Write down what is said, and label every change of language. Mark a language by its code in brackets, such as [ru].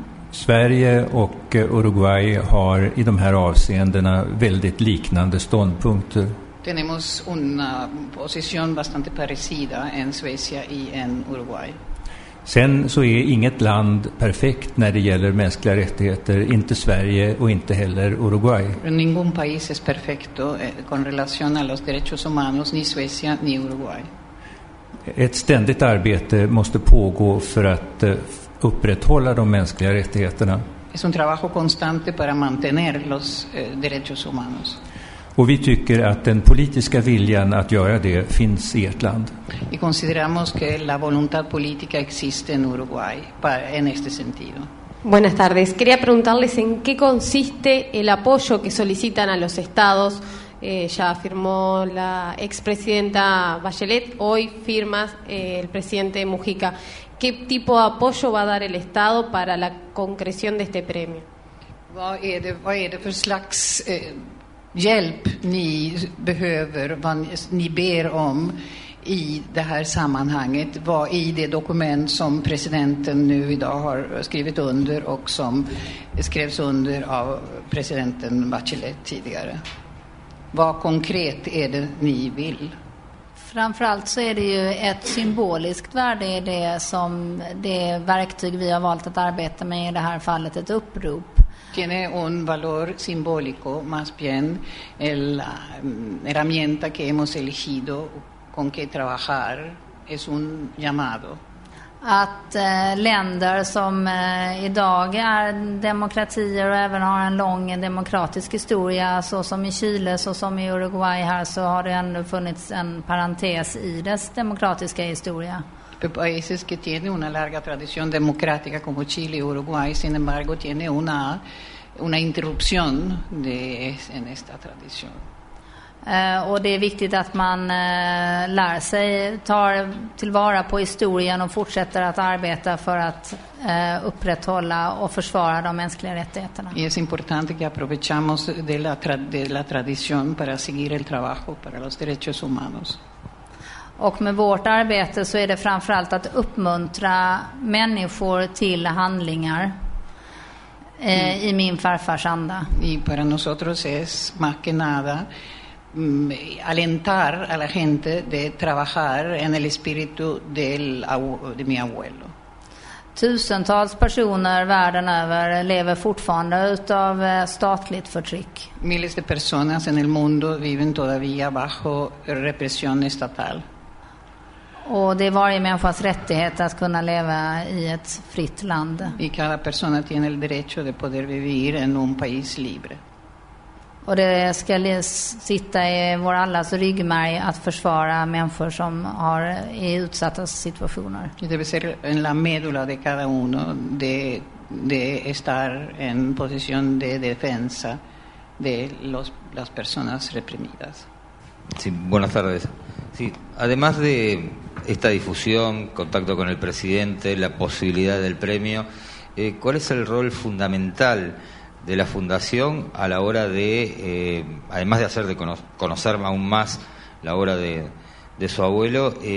[sv] Sverige och Uruguay har i de här avseendena väldigt liknande ståndpunkter. [es] Tenemos una posición bastante parecida en Suecia y en Uruguay. [sv] Sen så är inget land perfekt när det gäller mänskliga rättigheter, inte Sverige och inte heller Uruguay. [es] Ningún país es perfecto con relación a los derechos humanos ni Suecia ni Uruguay. [sv] Ett ständigt arbete måste pågå för att upprätthålla de mänskliga rättigheterna. [es] Es un trabajo constante para mantener los derechos humanos. [sv] Och vi tycker att den politiska viljan att göra det finns i ert land. [es] Y consideramos que la voluntad política existe en Uruguay en este sentido. Buenas tardes. Quería preguntarles en qué consiste el apoyo que solicitan a los estados. Ya firmó la expresidenta Bachelet, hoy firma el presidente Mujica. ¿Qué tipo de apoyo va a dar el Estado para la concreción de este premio? [sv] Vad är det för slags hjälp ni behöver, vad ni ber om i det här sammanhanget? Vad i det dokument som presidenten nu idag har skrivit under och som skrevs under av presidenten Bachelet tidigare? Vad konkret är det ni vill? Framförallt så är det ju ett symboliskt värde i det som det verktyg vi har valt att arbeta med i det här fallet, ett upprop. [es] Tiene un valor simbólico más bien la herramienta que hemos elegido con que trabajar es un llamado. [sv] Att länder som idag är demokratier och även har en lång demokratisk historia, så som i Chile, så som i Uruguay här, så har det ändå funnits en parentes i dess demokratiska historia. [es] Países que tienen una larga tradición democrática como Chile y Uruguay, sin embargo, tiene una interrupción de en esta tradición. [sv] Och det är viktigt att man lär sig, tar tillvara på historien och fortsätter att arbeta för att upprätthålla och försvara de mänskliga rättigheterna. [es] Y es importante que aprovechamos de la tradición para seguir el trabajo para los derechos humanos. [sv] Och med vårt arbete så är det framförallt att uppmuntra människor till handlingar. I min farfars anda. [es] Y para nosotros es más que nada alentar a la gente de trabajar en el espíritu de mi abuelo. [sv] Tusentals personer världen över lever fortfarande utav statligt förtryck. [es] Miles de personas en el mundo viven todavía bajo represión estatal. [sv] Och det är varje människas rättighet att kunna leva i ett fritt land. [es] Y cada persona tiene el derecho de poder vivir en un país libre. [sv] Och det ska sitta i vår allas ryggmärg att försvara människor som har i utsatta situationer. Det vill säga [es] la medula de cada uno de estar en posición de defensa de las personas reprimidas. Sí, buenas tardes. Sí, además de esta difusión, contacto con el presidente, la posibilidad del premio, ¿cuál es el rol fundamental de la fundación a la hora de, además de hacer de conocer aún más la obra de su abuelo,